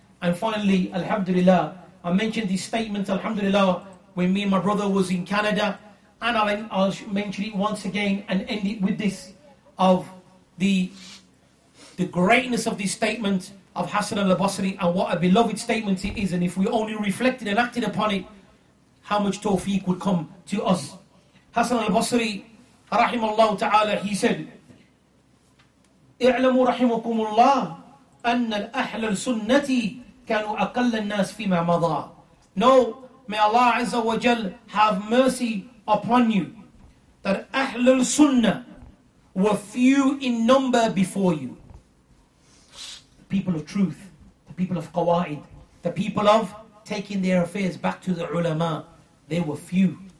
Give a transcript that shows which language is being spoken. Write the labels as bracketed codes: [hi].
[en] And finally, alhamdulillah, I mentioned this statement, alhamdulillah, when me and my brother was in Canada, and I'll mention it once again and end it with this, of the greatness of this statement of Hassan al-Basri, and what a beloved statement it is, and if we only reflected and acted upon it, how much tawfiq would come to us. [ar] Hassan al-Basri, rahimahullah ta'ala, [en] he said, [ar] اعلموا رحمكم الله أن الأهل السنة كانوا أقل الناس فيما مضى. [en] No, may Allah Azza wa Jal have mercy upon you, that Ahlul Sunnah were few in number before you. The people of truth, the people of qawaid, the people of taking their affairs back to the ulama, they were few.